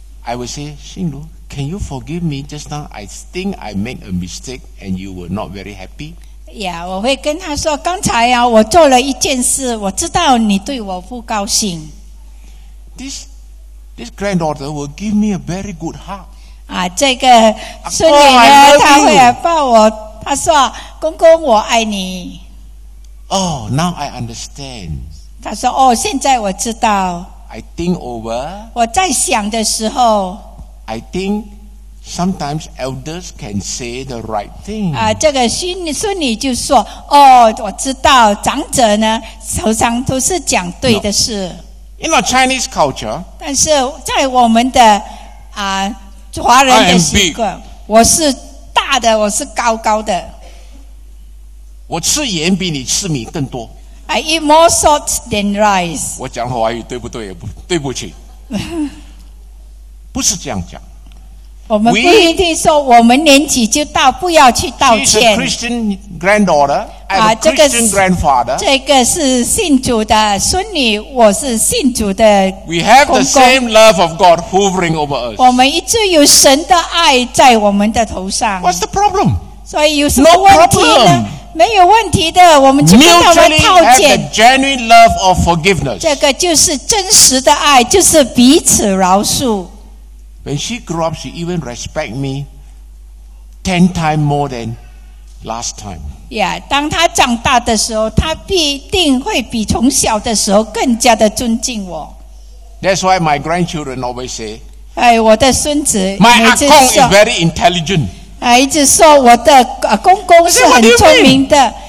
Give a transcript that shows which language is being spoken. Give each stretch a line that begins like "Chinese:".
English: I will say, Xinru, can you forgive me just now? I think I made a mistake and you were not very happy.
Chinese: Yeah, 我会跟他说，刚才啊，我做了一件事，我知道你对我不高兴。
English: This granddaughter will give me a very good hug.
Chinese: 啊，这个孙女呢，她会来抱我，她说，公公，我爱你。
English: Oh, now I understand.
Chinese: 她说，哦，现在我知道。
English: I think over.
Chinese: 我在想的时候。
English: I think. Sometimes elders can say the right thing.
Chinese: 啊，这个孙女就说，哦，我知道，长者呢，常常都是讲对的事。
English: In our Chinese culture,
Chinese: 但是在我们的啊华人的习惯，我是大的，我是高高的。我吃盐比你吃米更多。
English: I eat more salt than rice.
Chinese: 我讲华语对不对？对不起，不是这样讲。我们不一定说我们年纪就大，不要去道歉。
English: She's a Christian granddaughter. I'm a Christian grandfather.
Chinese: 这个是信主的孙女，我是信主的公公。
English: We have the same love of God hovering over us.
Chinese: 我们一直有神的爱在我们的头上。
English: What's the problem?
Chinese: 所以有什么问题呢？没有问题的，我们就不要来道歉。
English: Mutually have the genuine love of forgiveness.
Chinese: 这个就是真实的爱，就是彼此饶恕。
English: When she grew up, she even respect me 10 times more than last time.
Chinese: Yeah, 当她长大的时候，她必定会比从小的时候更加的尊敬我。
English: That's why my grandchildren always say,
Chinese: 哎，我的孙子
English: My 阿公 is very intelligent.
Chinese: 哎，一直说我的公公是很聪明的。